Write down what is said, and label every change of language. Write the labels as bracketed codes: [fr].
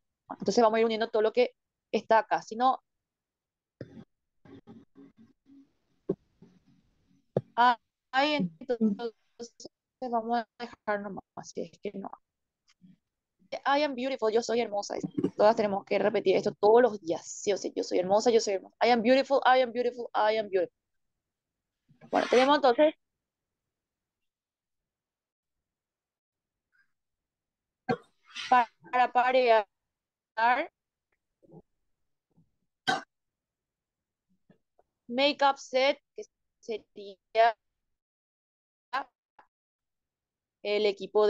[es] Entonces vamos a ir uniendo todo lo que está acá. Si no. Ahí entonces vamos a dejar nomás, si es que no. [en] I am beautiful, [es] yo soy hermosa. Todas tenemos que repetir esto todos los días. Sí o sí, yo soy hermosa. [en] I am beautiful, I am beautiful, I am beautiful. [es] Bueno, tenemos entonces. Para parear. Makeup set, que sería el equipo.